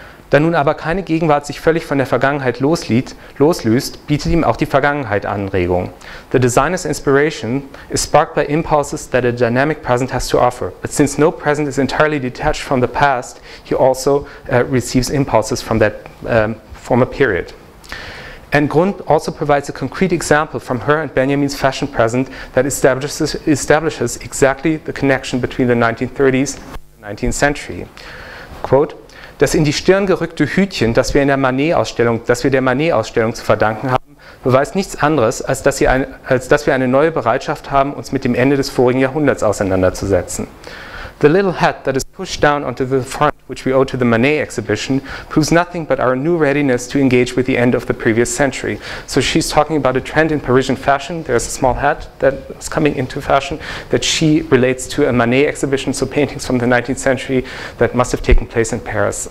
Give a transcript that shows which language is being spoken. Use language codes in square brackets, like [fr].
[de] Da nun aber keine Gegenwart sich völlig von der Vergangenheit loslöst, bietet ihm auch die Vergangenheit Anregung. [en] The designer's inspiration is sparked by impulses that a dynamic present has to offer. But since no present is entirely detached from the past, he also receives impulses from that former period. And Grund also provides a concrete example from her and Benjamin's fashion present that establishes exactly the connection between the 1930s and the 19th century. [de] Quote, das in die Stirn gerückte Hütchen, das wir der Manet-Ausstellung zu verdanken haben, beweist nichts anderes, als dass wir eine neue Bereitschaft haben, uns mit dem Ende des vorigen Jahrhunderts auseinanderzusetzen. [en] The little hat that is pushed down onto the front, which we owe to the Manet exhibition, proves nothing but our new readiness to engage with the end of the previous century. So she's talking about a trend in Parisian fashion. There's a small hat that is coming into fashion that she relates to a Manet exhibition, so paintings from the 19th century that must have taken place in Paris.